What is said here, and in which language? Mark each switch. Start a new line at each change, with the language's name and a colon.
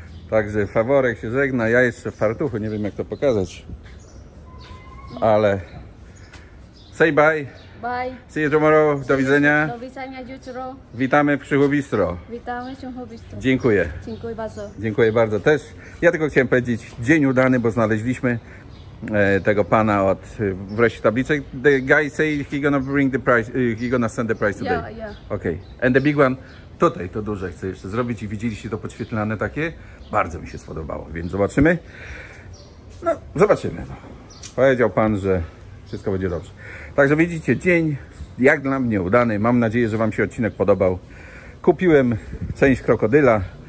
Polish: Także faworek się żegna, ja jeszcze w fartuchu, nie wiem jak to pokazać. Ale
English: say bye. Bye. See you tomorrow.
Polish: Do widzenia. Do widzenia jutro. Witamy przy Hubistro. Witamy przy Hubistro. Dziękuję. Dziękuję bardzo. Dziękuję bardzo też. Ja tylko chciałem powiedzieć, dzień udany, bo znaleźliśmy tego pana od wreszcie tablicy.
English: The guy say he gonna bring the price, he gonna send the price today. Yeah, yeah. Okay. And the big one,
Polish: tutaj to duże chcę jeszcze zrobić i widzieliście to podświetlane takie. Bardzo mi się spodobało, więc zobaczymy. No, zobaczymy. Powiedział pan, że wszystko będzie dobrze. Także widzicie, dzień jak dla mnie udany. Mam nadzieję, że wam się odcinek podobał. Kupiłem część krokodyla.